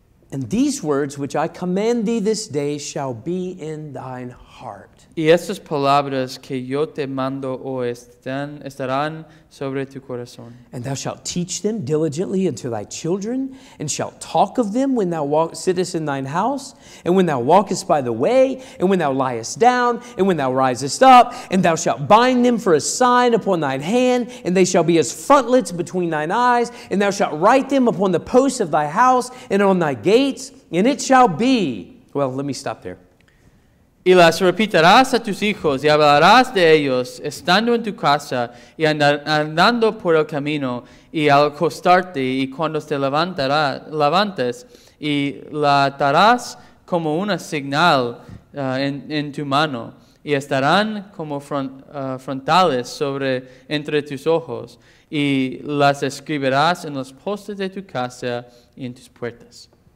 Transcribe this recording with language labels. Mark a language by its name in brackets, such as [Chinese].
[English] And these words which I command thee this day shall be in thine heart. [Spanish] Y estas palabras que yo te mando hoy estarán sobre tu corazón. [English] And thou shalt teach them diligently unto thy children, and shalt talk of them when thou sittest in thine house, and when thou walkest by the way, and when thou liest down, and when thou risest up, and thou shalt bind them for a sign upon thine hand, and they shall be as frontlets between thine eyes, and thou shalt write them upon the posts of thy house, and on thy gates, and it shall be. Well, let me stop there. [Spanish] Y las repitarás a tus hijos, y hablarás de ellos, estando en tu casa, y andando por el camino, y al acostarte, y cuando te levantes, y la atarás como una señal en tu mano, y estarán como frontales sobre entre tus ojos, y las escribirás en los postes de tu casa y en tus puertas.